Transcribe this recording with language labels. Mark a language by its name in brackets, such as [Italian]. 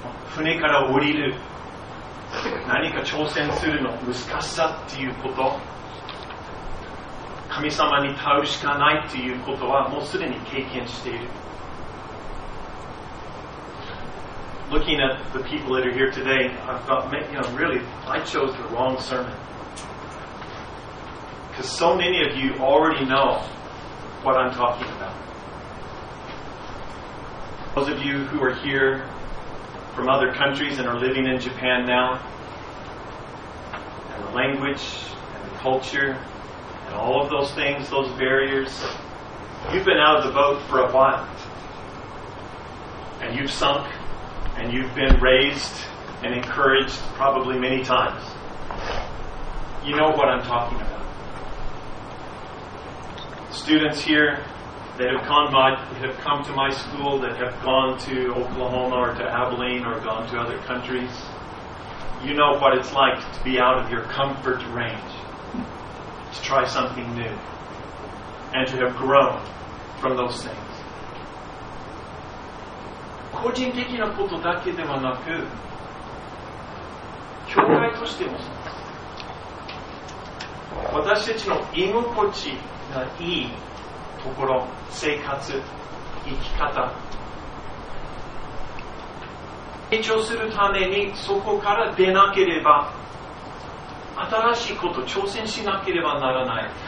[Japanese] 船から降りる、何か挑戦するの難しさっていうこと、神様に頼るしかないっていうことはもうすでに経験している。 [English] Looking at the people that are here today, I've got, you know, really, I chose the wrong sermon. Because so many of you already know what I'm talking about. Those of you who are here from other countries and are living in Japan now, and the language, and the culture, and all of those things, those barriers, you've been out of the boat for a while. And you've sunk, and you've been raised and encouraged probably many times. You know what I'm talking about. students here that have come, to my school, that have gone to Oklahoma or to Abilene or gone to other countries, you know what it's like to be out of your comfort range, to try something new, and to have grown from those things. [Japanese] 個人的なことだけではなく、教会としても私たちの居心地がいいところ、生活、生き方、成長するためにそこから出なければ、新しいこと挑戦しなければならない。